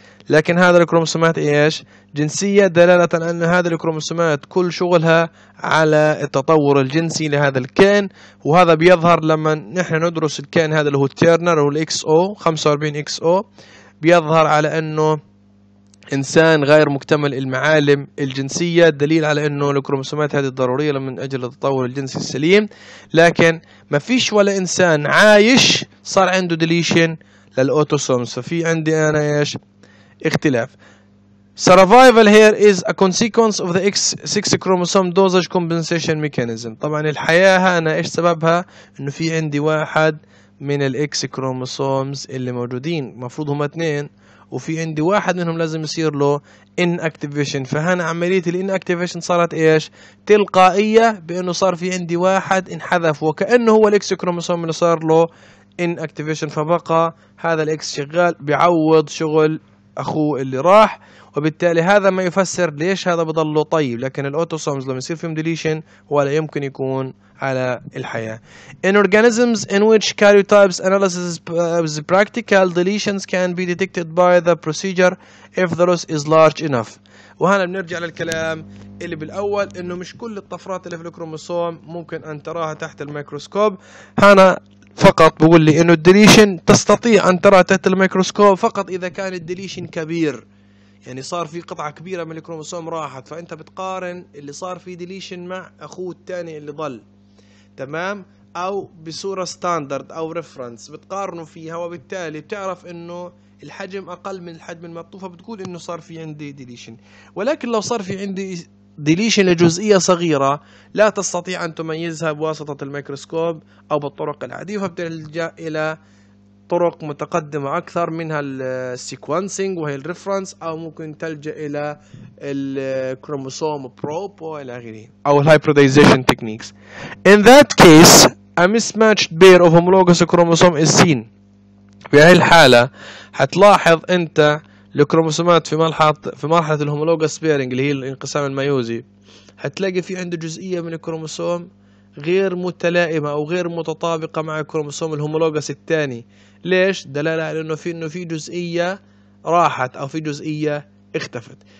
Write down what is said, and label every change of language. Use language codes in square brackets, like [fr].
[ar] لكن هذا الكروموسومات ايش؟ جنسية، دلالة ان هذه الكروموسومات كل شغلها على التطور الجنسي لهذا الكائن، وهذا بيظهر لما نحن ندرس الكائن هذا اللي هو التيرنر والاكس او 45 اكس او، بيظهر على انه انسان غير مكتمل المعالم الجنسية، دليل على انه الكروموسومات هذه ضرورية من اجل التطور الجنسي السليم. لكن ما فيش ولا انسان عايش صار عنده ديليشن للاوتوسومز، ففي عندي انا ايش؟ اختلاف. [en] Survival here is a consequence of the X6 chromosome dosage compensation mechanism. [ar] طبعا الحياة هنا ايش سببها؟ انه في عندي واحد من ال X chromosomes اللي موجودين، مفروض هما اثنين، وفي عندي واحد منهم لازم يصير له inactivation. فهنا عملية ال inactivation صارت ايش؟ تلقائية، بانه صار في عندي واحد انحذف، وكأنه هو ال X chromosome اللي صار له inactivation، فبقى هذا ال X شغال بيعوض شغل اخوه اللي راح، وبالتالي هذا ما يفسر ليش هذا بضله طيب. لكن الاوتوسومز لما يصير فيهم ديليشن ولا يمكن يكون على الحياه. [en] In organisms in which karyotypes analysis is practical, deletions can be detected by the procedure if the loss is large enough. [ar] وهنا بنرجع للكلام اللي بالاول، انه مش كل الطفرات اللي في الكروموسوم ممكن ان تراها تحت الميكروسكوب. هنا فقط بقول لي انه الديليشن تستطيع ان ترى تحت الميكروسكوب فقط اذا كان الديليشن كبير، يعني صار في قطعه كبيره من الكروموسوم راحت، فانت بتقارن اللي صار في ديليشن مع اخوه الثاني اللي ضل، تمام، او بصوره ستاندرد او ريفرنس بتقارنه فيها، وبالتالي بتعرف انه الحجم اقل من الحجم المعطوف، بتقول انه صار في عندي ديليشن. ولكن لو صار في عندي ديليشن لجزئية صغيرة لا تستطيع أن تميزها بواسطة الميكروسكوب أو بالطرق العادية، فبتلجأ إلى طرق متقدمة أكثر، منها السيكوانسينج وهي الريفرنس، أو ممكن تلجأ إلى الكروموسوم بروب وإلى غيره، أو الهايبريدايزيشن تكنيكس. [en] In that case a mismatched pair of homologous chromosome is seen. [ar] في هذه الحالة هتلاحظ أنت الكروموسومات في مرحلة الهومولوجس بيرنج اللي هي الانقسام الميوزي، هتلاقي في عنده جزئية من الكروموسوم غير متلائمة أو غير متطابقة مع الكروموسوم الهومولوجس الثاني. ليش؟ دلالة على إنه في جزئية راحت أو في جزئية اختفت.